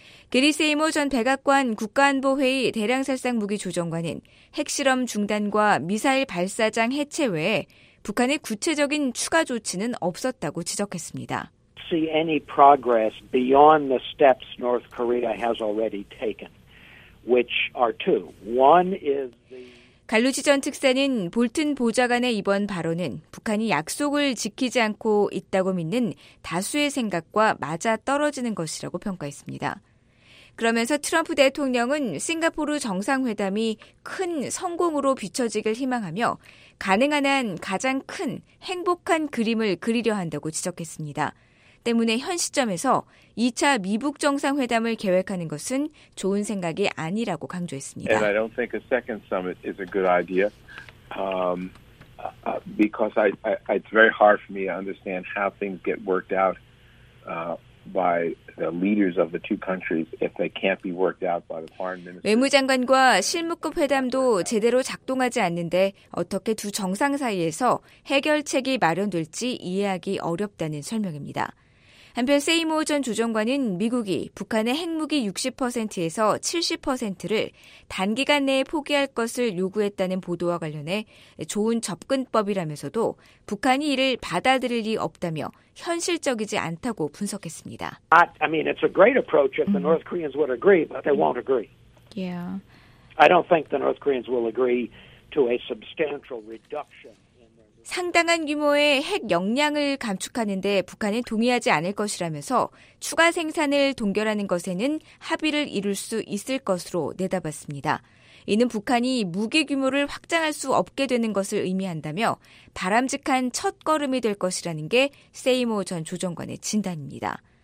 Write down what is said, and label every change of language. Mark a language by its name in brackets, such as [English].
[Korean] 게리 세이머 전 백악관 국가안보회의 대량살상무기조정관은 핵실험 중단과 미사일 발사장 해체 외에 북한의 구체적인 추가 조치는 없었다고 지적했습니다. [English] See any progress beyond the steps North Korea has already taken, which are two. One is the [Korean] 갈루치 전 특사는 볼튼 보좌관의 이번 발언은 북한이 약속을 지키지 않고 있다고 믿는 다수의 생각과 맞아 떨어지는 것이라고 평가했습니다. 그러면서 트럼프 대통령은 싱가포르 정상회담이 큰 성공으로 비춰지길 희망하며 가능한 한 가장 큰 행복한 그림을 그리려 한다고 지적했습니다. 때문에 현 시점에서 2차 미북 정상회담을 계획하는 것은 좋은 생각이 아니라고 강조했습니다. [English] And I don't think a second summit is a good idea because it's very hard for me to understand how things get worked out by the leaders of the two countries if they can't be worked out by the foreign minister. [Korean] 외무장관과 실무급 회담도 제대로 작동하지 않는데 어떻게 두 정상 사이에서 해결책이 마련될지 이해하기 어렵다는 설명입니다. 한편 세이모 전 조정관은 미국이 북한의 핵무기 60%에서 70%를 단기간 내에 포기할 것을 요구했다는 보도와 관련해 좋은 접근법이라면서도 북한이 이를 받아들일 리 없다며 현실적이지 않다고 분석했습니다. [English] I mean, it's a great approach if the North Koreans would agree, but they won't agree. Yeah. I don't think the North Koreans will agree to a substantial reduction. [Korean] 상당한 규모의 핵 역량을 감축하는 데 북한은 동의하지 않을 것이라면서 추가 생산을 동결하는 것에는 합의를 이룰 수 있을 것으로 내다봤습니다. 이는 북한이 무기 규모를 확장할 수 없게 되는 것을 의미한다며 바람직한 첫 걸음이 될 것이라는 게 세이모 전 조정관의 진단입니다.